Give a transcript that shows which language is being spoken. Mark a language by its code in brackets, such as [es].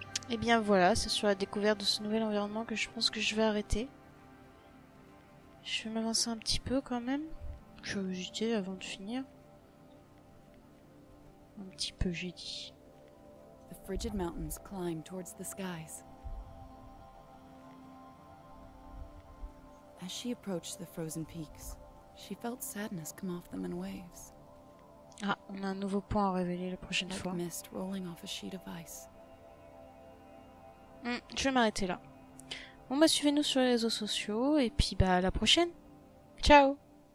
[fr] Et bien voilà, c'est sur la découverte de ce nouvel environnement que je pense que je vais arrêter. Je vais m'avancer un petit peu quand même. Je vais hésiter avant de finir. Un petit peu, j'ai dit. [en] The frigid mountains climb towards the skies. As she approached the frozen peaks, she felt sadness come off them in waves. [fr] Ah, on a un nouveau point à révéler la prochaine fois. [en] Like mist rolling off a sheet of ice. [fr] Je vais m'arrêter là. Bon bah suivez-nous sur les réseaux sociaux et puis bah à la prochaine. Ciao !